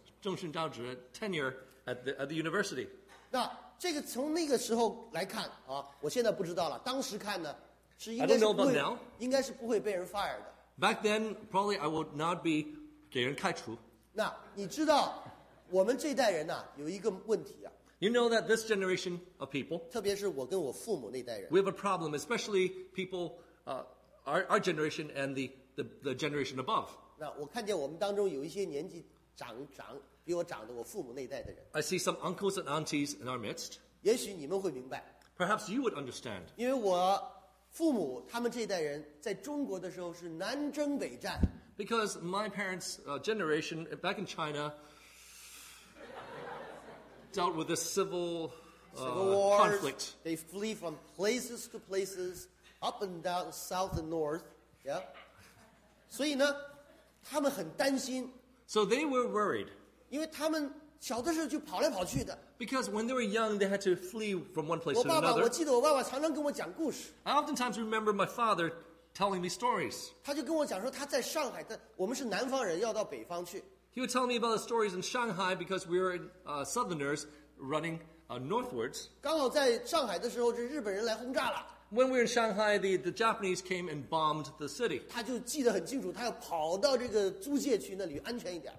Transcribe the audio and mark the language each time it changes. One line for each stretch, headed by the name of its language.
Chinese: 终身教职
English: tenure at the university.
Chinese: 那这个从那个时候来看啊，我现在不知道了。当时看呢。
English: I don't know about now.
Chinese: 应该是不会被人 fire 的。
English: Back then, probably I would not be
Chinese: 给人开除。那你知道，我们这代人呢、啊、有一个问题啊。
English: You know that this generation of people.
Chinese: 特别是我跟我父母那代人。
English: We have a problem, especially people, our generation and the generation above.
Chinese: 那我看见我们当中有一些年纪长比我长的我父母那代的人。
English: I see some uncles and aunties in our midst.
Chinese: 也许你们会明白。
English: Perhaps you would understand.
Chinese: 因为我。父母他们这代人在中国的时候是南征北战。
English: Because my parents' generation back in China dealt with a civil war, conflict. They flee from places to places, up and down, south and north.
Chinese: Yeah. 所以呢，他们很担心。
English: So they were worried.
Chinese: 因为他们小的时候就跑来跑去的。
English: Because when they were young, they had to flee from one place to another.
Chinese: 我记得我爸爸常常跟我讲故事。
English: I oftentimes remember my father telling me stories.
Chinese: 他就跟我讲说他在上海，我们是南方人，要到北方去。
English: He would tell me about the stories in Shanghai because we were southerners running northwards.
Chinese: 刚好在上海的时候，这日本人来轰炸了。
English: When we were in Shanghai, the Japanese came and bombed the city.
Chinese: 他就记得很清楚，他要跑到这个租界区那里安全一点。